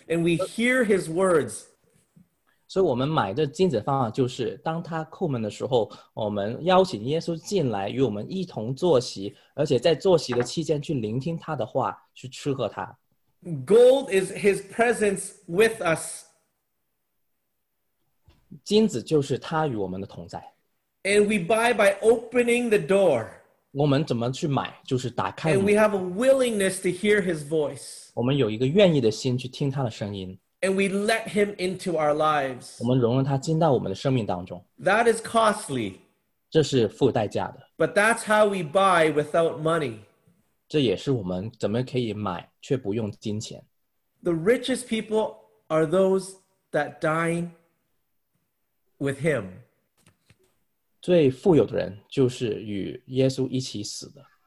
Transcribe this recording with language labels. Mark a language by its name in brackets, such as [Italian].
[English] And we hear his words. [Chinese] 所以我们买的金子方法就是当他叩门的时候，我们邀请耶稣进来与我们一同坐席，而且在坐席的期间去聆听他的话，去吃喝他。 [English] Gold is his presence with us. [Chinese] 金子就是他与我们的同在。 [English] And we buy by opening the door. [Chinese] 我们怎么去买？就是打开。 [English] And we have a willingness to hear his voice. [Chinese] 我们有一个愿意的心去听他的声音。 [English] And we let him into our lives. [Chinese] 我们容忍他进到我们的生命当中。 [English] That is costly. [Chinese] 这是付代价的。 [English] But that's how we buy without money. [Chinese] 这也是我们怎么可以买却不用金钱。 [English] The richest people are those that dine with him. [Chinese] 最富有的人就是与耶稣一起死的。